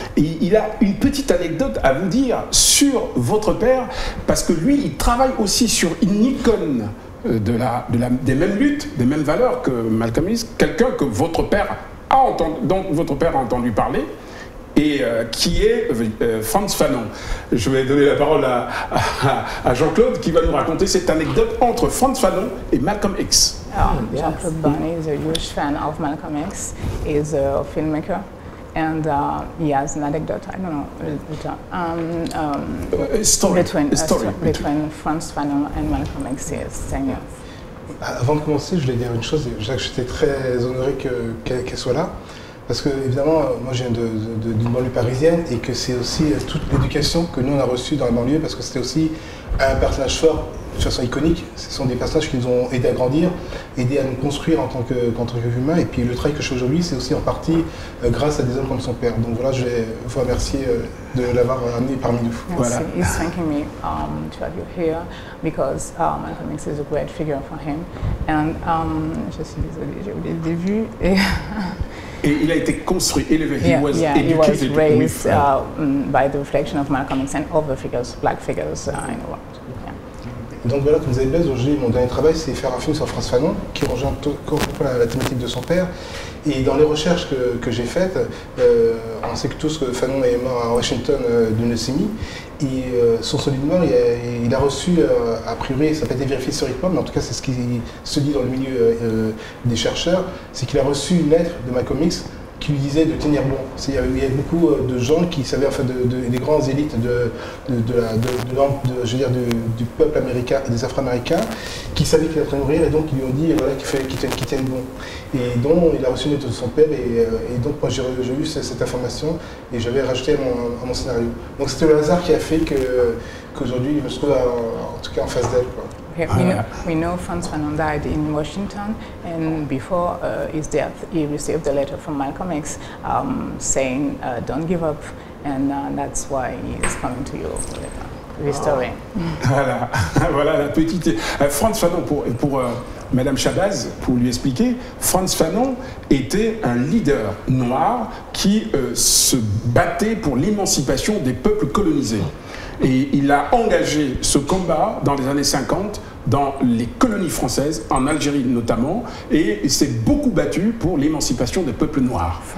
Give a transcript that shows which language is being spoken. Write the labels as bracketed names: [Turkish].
[French] Et il a une petite anecdote à vous dire sur votre père, parce que lui, il travaille aussi sur une icône des mêmes luttes, des mêmes valeurs que Malcolm X, quelqu'un que votre père a entendu, dont votre père a entendu parler. Et qui est Frantz Fanon. Je vais donner la parole à Jean-Claude qui va nous raconter cette anecdote entre Frantz Fanon et Malcolm X. [English] Jean-Claude Barny is a huge fan of Malcolm X. He's a filmmaker and he has an anecdote, I don't know, between Frantz Fanon and Malcolm X, yes, 10 years. [French] Avant de commencer, je voulais dire une chose, j'étais très honoré qu'elle soit là. Parce que, évidemment, moi je viens d'une banlieue parisienne et que c'est aussi toute l'éducation que nous on a reçue dans la banlieue parce que c'était aussi un personnage fort de façon iconique. Ce sont des personnages qui nous ont aidé à grandir, aidé à nous construire en tant qu'humain. Et puis le travail que je fais aujourd'hui, c'est aussi en partie grâce à des hommes comme son père. Donc voilà, je vais vous remercier de l'avoir amené parmi nous. Merci. Voilà. Il est [English] thanking me to have you here because Malcolm X is a great figure for him. And [French] je suis désolée, j'ai oublié le début. Et il a été construit, élevé. [English] By the reflection of Malcolm X and other figures, black figures in the world. [French] Donc voilà, comme vous avez l'aise, aujourd'hui mon dernier travail c'est faire un film sur Frantz Fanon qui rejoint la thématique de son père. Et dans les recherches que j'ai faites, on sait que tous que Fanon est mort à Washington d'une leucémie. Et sur son lit de mort, il a reçu, a priori, ça n'a pas été vérifié historiquement, mais en tout cas c'est ce qui se dit dans le milieu des chercheurs, c'est qu'il a reçu une lettre de Malcolm X qui lui disait de tenir bon. Il y avait beaucoup de gens qui savaient, enfin, des grandes élites du peuple américain, des Afro-Américains, qui savaient qu'il était en train de mourir, et donc ils lui ont dit voilà, qu'il tienne bon. Et donc il a reçu une lettre de son père, et donc moi j'ai eu cette information, et j'avais rajouté à mon scénario. Donc c'était le hasard qui a fait qu'aujourd'hui il me trouve en tout cas en face d'elle. Quoi. [English] We know Frantz Fanon died in Washington, and before his death, he received a letter from Malcolm X saying, "Don't give up," and that's why he's coming to you later. Restoring. [French] Voilà la petite. Frantz Fanon pour Madame Chabaz, pour lui expliquer, Frantz Fanon était un leader noir qui se battait pour l'émancipation des peuples colonisés. Et il a engagé ce combat dans les années 50 dans les colonies françaises, en Algérie notamment, et il s'est beaucoup battu pour l'émancipation des peuples noirs.